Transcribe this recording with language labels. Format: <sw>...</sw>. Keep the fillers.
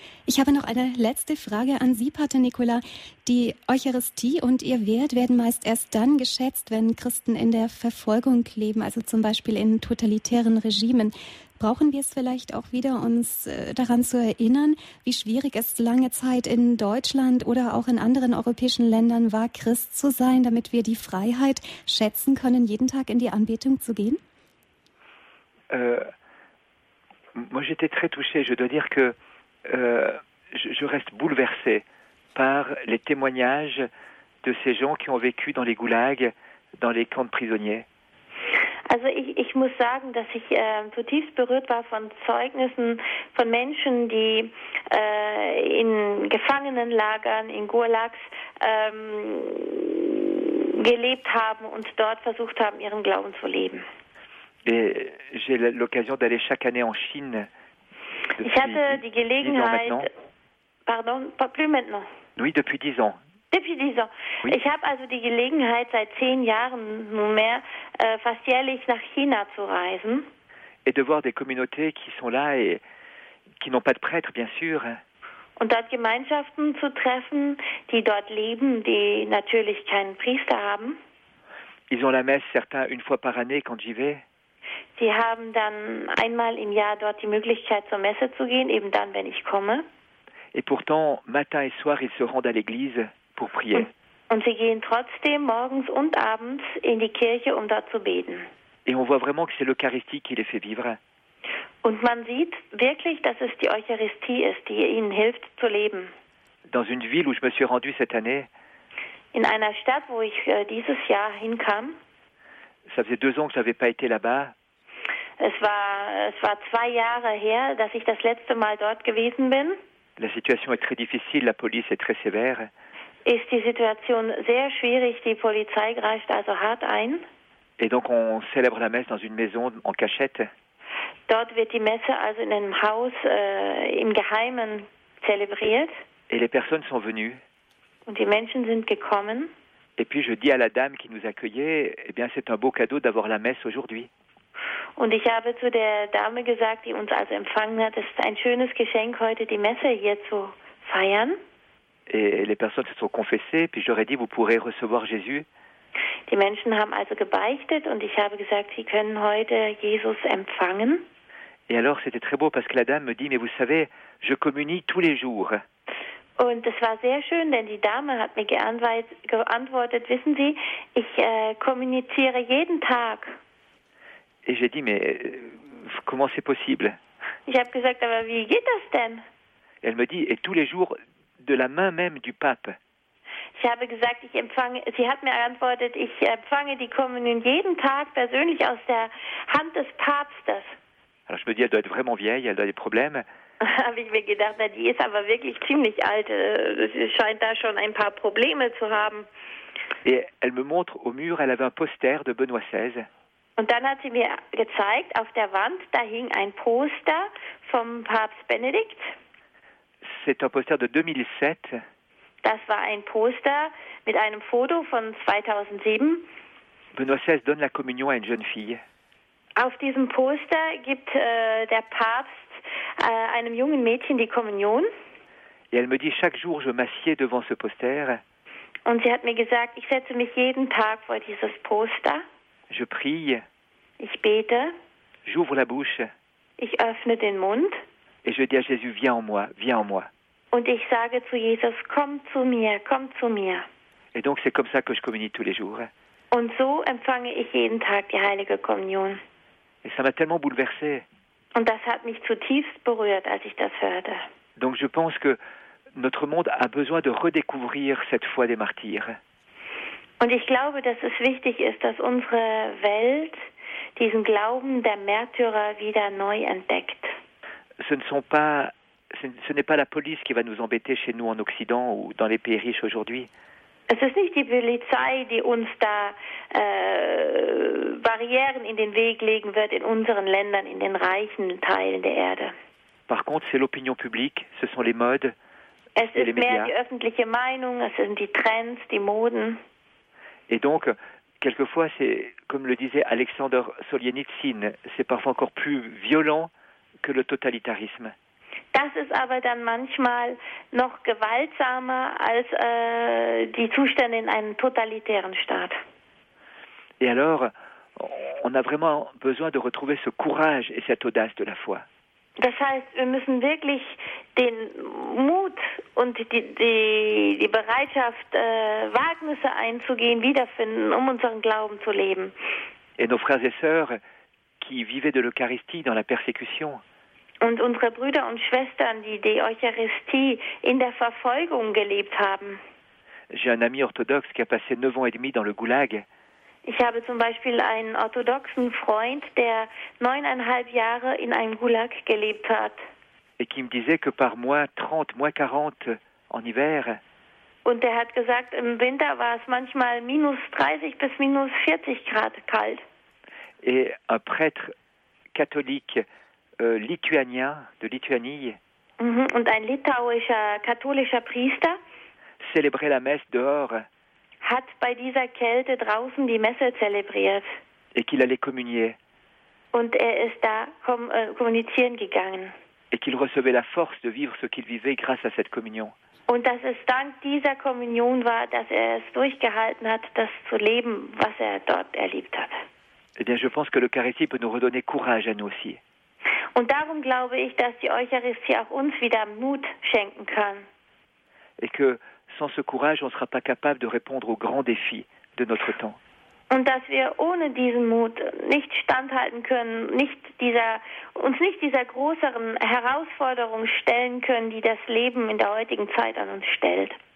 <de>Ich habe noch eine letzte Frage an Sie, Pater Nicola. Die Eucharistie und ihr Wert werden meist erst dann geschätzt, wenn Christen in der Verfolgung leben, also zum Beispiel in totalitären Regimen. Brauchen wir es vielleicht auch wieder, uns daran zu erinnern, wie schwierig es lange Zeit in Deutschland oder auch in anderen europäischen Ländern war, Christ zu sein, damit wir die Freiheit schätzen können, jeden Tag in die Anbetung zu gehen?</de> <fr>Euh, moi, j'étais très touché. Je dois dire que Euh, je, je, reste bouleversé par les témoignages de ces gens qui ont vécu dans les goulags, dans les camps de prisonniers.</fr> <de>Also ich, ich muss sagen, dass ich äh, zutiefst berührt war von Zeugnissen von Menschen, die äh, in Gefangenenlagern, in Gulags ähm, gelebt haben und dort versucht haben, ihren Glauben zu leben.</de> <fr>Et j'ai l'occasion d'aller chaque année en Chine</fr> <de>ich hatte die Gelegenheit,</de> <fr>pardon, pas plus maintenant. Oui, depuis dix ans. Depuis dix ans. Oui.</fr> <de>Ich habe also die Gelegenheit, seit zehn Jahren nunmehr äh, fast jährlich nach China zu reisen.</de> <fr>Et de voir des communautés qui sont là et qui n'ont pas de prêtres, bien sûr.</fr> <de>Und dort Gemeinschaften zu treffen, die dort leben, die natürlich keinen Priester haben.</de> <fr>Ils ont la messe, certains, une fois par année quand j'y vais.</fr> <de>Sie haben dann einmal im Jahr dort die Möglichkeit zur Messe zu gehen, eben dann, wenn ich komme.</de> <fr>Et pourtant, matin et soir, ils se rendent à l'église pour prier.</fr> <de>Und, und, sie gehen trotzdem morgens und abends in die Kirche, um dort zu beten.</de> <fr>Et on voit vraiment que c'est l'Eucharistie qui les fait vivre.</fr> <de>Und man sieht wirklich, dass es die Eucharistie ist, die ihnen hilft zu leben.</de> <fr>Dans une ville où je me suis rendu cette année.</fr> <de>In einer Stadt, wo ich äh, dieses Jahr hinkam.</de> <fr>Ça faisait deux ans que je n'avais pas été là-bas.</fr> <de>Es war, es war zwei Jahre her, dass ich das letzte Mal dort gewesen bin.</de> <fr>La situation est très difficile, la police est très sévère.</fr> <de>Ist die Situation sehr schwierig, die Polizei greift also hart ein.</de> <fr>Et donc on célèbre la messe dans une maison en cachette.</fr> <de>Dort wird die Messe also in einem Haus äh, im Geheimen zelebriert.</de> <fr>Et les personnes sont venues.</fr> <de>Und die Menschen sind gekommen.</de> <fr>Et puis je dis à la dame qui nous accueillait, eh bien c'est un beau cadeau d'avoir la messe aujourd'hui.</fr> <de>Und ich habe zu der Dame gesagt, die uns also empfangen hat, es ist ein schönes Geschenk, heute die Messe hier zu feiern.</de> <fr>Et les personnes se sont confessées, puis j'aurais dit, vous pourrez recevoir Jésus.</fr> <de>Die Menschen haben also gebeichtet und ich habe gesagt, sie können heute Jesus empfangen.</de> <fr>Et alors c'était très beau parce que la dame me dit, mais vous savez, je communie tous les jours.</fr> <de>Und es war sehr schön, denn die Dame hat mir geantwortet, wissen Sie, ich äh, kommuniziere jeden Tag.</de> <fr>Et j'ai dit, mais comment c'est possible</fr> <de>Ich habe gesagt, aber wie geht das denn?</de> <fr>Elle me dit, et tous les jours, de la main même du pape.</fr> <de>Ich habe gesagt, ich empfange, sie hat mir geantwortet, ich empfange die Kommunion jeden Tag persönlich aus der Hand des Papstes.</de> <fr>Alors je me dis, elle doit être vraiment vieille, elle doit des problèmes.</fr> <de>habe ich mir gedacht, na, die ist aber wirklich ziemlich alt, sie scheint da schon ein paar Probleme zu haben.</de> <fr>Et elle me montre au mur, elle avait un poster de Benoît XVI.</fr> <de>Und dann hat sie mir gezeigt, auf der Wand, da hing ein Poster vom Papst Benedikt.</de> <fr>C'est un poster de 2007.</fr> <de>Das war ein Poster mit einem Foto von 2007.</de> <fr>Benoît XVI donne la communion à une jeune fille.</fr> <de>Auf diesem Poster gibt äh, der Papst äh, einem jungen Mädchen die Kommunion.</de> <fr>Et elle me dit chaque jour je m'assieds devant ce poster.</fr> <de>Und sie hat mir gesagt, ich setze mich jeden Tag vor dieses Poster.</de> <fr>Je prie.</fr> <de>Ich bete.</de> <fr>J'ouvre la bouche.</fr> <de>Ich öffne den Mund.</de> <fr>Et je dis à Jésus, viens en moi, viens en moi.</fr> <de>Und ich sage zu Jesus, komm zu mir, komm zu mir.</de> <fr>Et donc c'est comme ça que je communie tous les jours.</fr> <de>Und so empfange ich jeden Tag die heilige Kommunion.</de> <fr>Et ça m'a tellement bouleversé.</fr> <de>Und das hat mich zutiefst berührt, als ich das hörte.</de> <fr>Donc je pense que notre monde a besoin de redécouvrir cette foi des martyrs.</fr> <de>Und ich glaube, dass es wichtig ist, dass unsere Welt diesen Glauben der Märtyrer wieder neu entdeckt.</de> <fr>Ce n'est pas, ce pas la police qui va nous embêter chez nous en Occident ou dans les pays riches aujourd'hui.</fr> <de>Es ist nicht die Polizei, die uns da äh, Barrieren in den Weg legen wird in unseren Ländern, in den reichen Teilen der Erde.</de> <fr>Par contre, c'est l'opinion publique, ce sont les modes.</fr> <de>Es ist mehr die öffentliche Meinung, es sind die Trends, die Moden.</de> <fr>Et donc, quelquefois, c'est, comme le disait Alexander Solzhenitsyn, c'est parfois encore plus violent que le totalitarisme.</fr> <de>Das ist aber dann manchmal noch gewaltsamer als äh, die Zustände in einem totalitären Staat.</de> <fr>Et alors, on a vraiment besoin de retrouver ce courage et cette audace de la foi.</fr> <de>Das heißt, wir müssen wirklich den Mut und die, die, die Bereitschaft, äh, Wagnisse einzugehen, wiederfinden, um unseren Glauben zu leben.</de> <fr>Et nos frères et sœurs qui vivaient de l'Eucharistie dans la persécution,</fr> <de>Und unsere Brüder und Schwestern, die die Eucharistie in der Verfolgung gelebt haben.</de> <fr>j'ai un ami orthodoxe qui a passé 9 ans et demi dans le goulag.</fr> <de>Ich habe zum Beispiel einen orthodoxen Freund, der neuneinhalb Jahre in einem Gulag gelebt hat.</de> <fr>et qui me disait que par moins 30, moins 40 en hiver,</fr> <de>Und der hat gesagt, im Winter war es manchmal minus 30 bis minus 40 Grad kalt.</de> <fr>et un prêtre catholique euh, lituanien de Lituanie Mhm.</fr> <de>Und ein litauischer katholischer Priester</de> <fr>célébrait la messe dehors</fr> <de>hat bei dieser Kälte draußen die Messe zelebriert.</de> <fr>et qu'il allait communier</fr> <de>Und er ist da kom äh, kommunizieren gegangen.</de> <fr>et qu'il recevait la force de vivre ce qu'il vivait grâce à cette communion.</fr> <de>Und dass es dank dieser Kommunion war, dass er es durchgehalten hat, das zu leben, was er dort erlebt hat.</de> <fr>Eh bien, je pense que l'Eucharistie peut nous redonner courage à nous aussi.</fr> <de>Und darum glaube ich, dass die Eucharistie auch uns wieder Mut schenken kann.</de> <fr>Et que sans ce courage, on ne sera pas capable de répondre aux grands défis de notre temps.</fr> <de>Und dass wir ohne diesen Mut nicht standhalten können, nicht dieser, uns nicht dieser größeren Herausforderung stellen können, die das Leben in der heutigen Zeit an uns stellt.</de>